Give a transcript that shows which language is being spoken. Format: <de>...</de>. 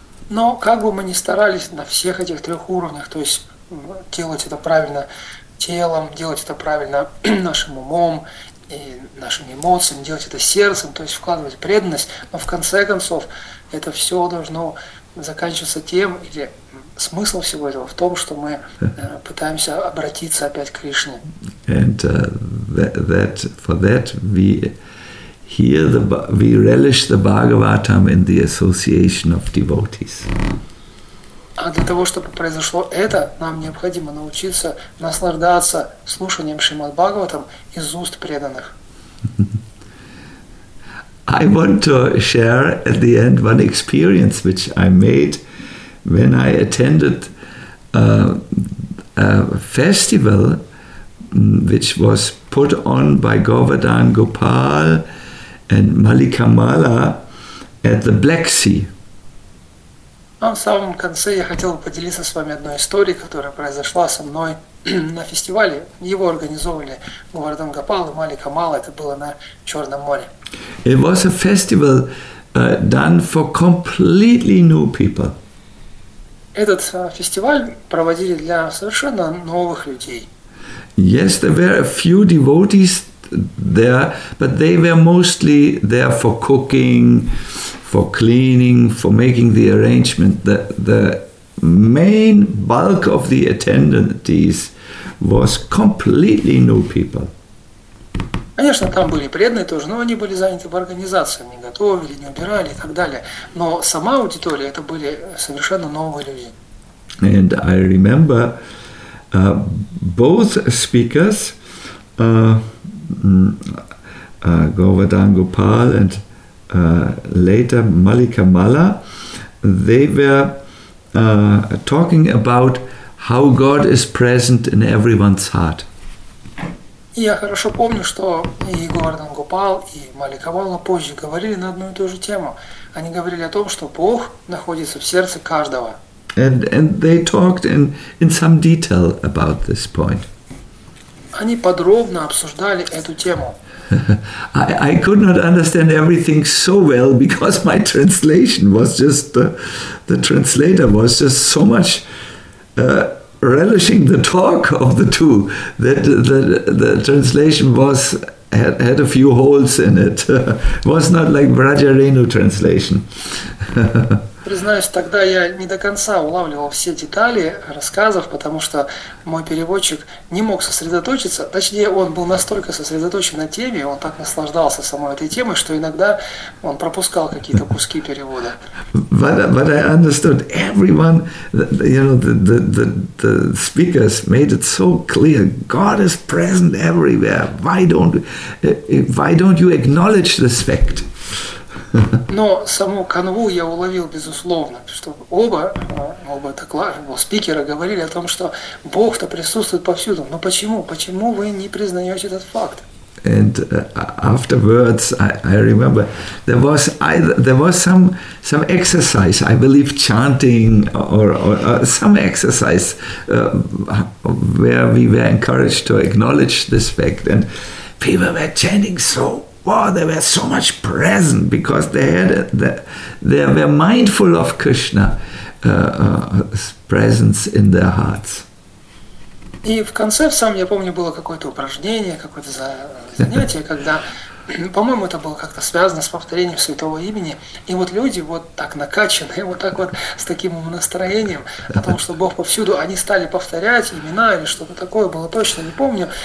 <ru>Но как бы мы ни старались на всех этих трех уровнях, то есть делать это правильно телом, делать это правильно нашим умом и нашим эмоциям, делать это сердцем, то есть вкладывать преданность, но в конце концов это все должно заканчиваться тем, или смысл всего этого в том, что мы пытаемся обратиться опять к Кришне.</ru> <en>And that for that we hear the we relish the Bhagavatam in the association of devotees.</en> <ru>А для того, чтобы произошло это, нам необходимо научиться наслаждаться слушанием Шримад Бхагаватам из уст преданных.</ru> <en>I want to share at the end one experience which I made when I attended a festival which was put on by Govardhan Gopal and Malikamala at the Black Sea.</en> <ru>А в самом конце я хотел поделиться с вами одной историей, которая произошла со мной на фестивале. Его организовывали Говардхан Гопал и Маликамала. Это было на Черном море.</ru> <en>It was a festival done for completely new people.</en> <ru>Этот фестиваль проводили для совершенно новых людей.</ru> <en>Yes, there were a few devotees there, but they were mostly there for cooking, for cleaning, for making the arrangement. The main bulk of the attendees was completely new people.</en> <ru>Конечно, там были преданные тоже, но они были заняты в организации, не готовили, не убирали и так далее. Но сама аудитория, это были совершенно новые люди.</ru> <en>And I remember both speakers, Govardhan Gopal and later Malikamala, they were talking about how God is present in everyone's heart.</en> <ru>Я хорошо помню, что и Говардхан Гопал, и Маликамала позже говорили на одну и ту же тему. Они говорили о том, что Бог находится в сердце каждого.</ru> <en>And they talked in some detail about this point.</en> <ru>Они подробно обсуждали эту тему.</ru> <en>I could not understand everything so well because my translation was just the translator was just so much relishing the talk of the two that the translation was had a few holes in it. It was not like Vraja Renu translation.</en> <ru>Признаюсь, тогда я не до конца улавливал все детали рассказов, потому что мой переводчик не мог сосредоточиться, точнее, он был настолько сосредоточен на теме, он так наслаждался самой этой темой, что иногда он пропускал какие-то куски перевода.</ru> <en>But I understood everyone, you know, the speakers made it so clear. God is present everywhere. Why don't you acknowledge this fact?</en> <ru>Но саму канву я уловил безусловно, что оба докладчика, спикера говорили о том, что Бог-то присутствует повсюду. Но почему? Почему вы не признаете этот факт?</ru> <en>And afterwards, I remember there was some exercise. I believe chanting or some exercise where we were encouraged to acknowledge this fact, and people were chanting so. Wow, they were so much present because they were mindful of Krishna's presence in their hearts.</en> <ru>И в конце, сам я помню, было какое-то упражнение, какое-то занятие, когда, по-моему, это было как-то связано с повторением святого имени. И вот люди вот так накачанные, вот так вот с таким настроением о том, что Бог повсюду, они стали повторять имена или что-то такое, было точно, не помню.</ru>